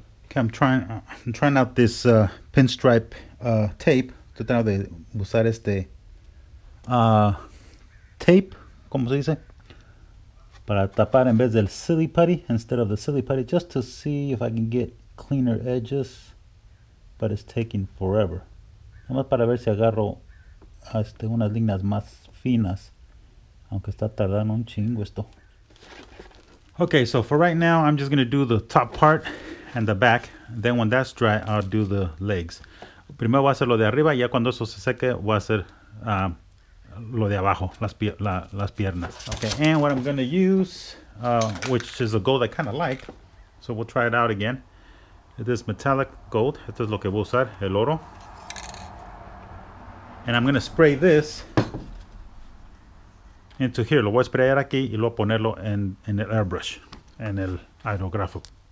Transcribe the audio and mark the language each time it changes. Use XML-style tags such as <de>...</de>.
<en>Okay, I'm trying out this pinstripe tape.</en> <es>Tratando de usar este tape, ¿cómo se dice? Para tapar en vez del silly putty,</es> <en>instead of the silly putty, just to see if I can get cleaner edges, but it's taking forever.</en> <es>Vamos para ver si agarro unas líneas más finas, aunque está tardando un chingo esto.</es> <en>Okay, so for right now, I'm just gonna do the top part and the back. Then when that's dry, I'll do the legs.</en> <es>Primero voy a hacer lo de arriba, y ya cuando eso se seque, voy a hacer lo de abajo, las piernas.</es> <en>Okay, and what I'm gonna use, which is a gold I kind of like, so we'll try it out again. This metallic gold,</en> <es>esto es lo que voy a usar, el oro.</es> <en>And I'm going to spray this into here.</en> <es>Lo voy a sprayar aquí y luego ponerlo en el airbrush, en el aerográfico.</es>